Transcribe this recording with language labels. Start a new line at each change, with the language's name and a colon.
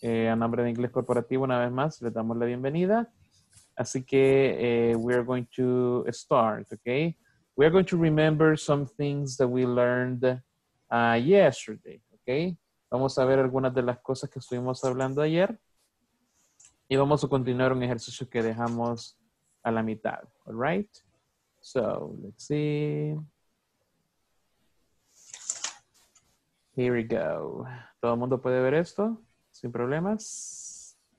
Spanish: A nombre de Inglés Corporativo, una vez más, les damos la bienvenida. Así que
English: we're going to start, okay? We're going to remember some things that we learned yesterday, okay?
Spanish: Vamos a ver algunas de las cosas que estuvimos hablando ayer y vamos a continuar un ejercicio que dejamos a la mitad,
English: all right? So, let's see. Here we go.
Spanish: ¿Todo el mundo puede ver esto sin problemas?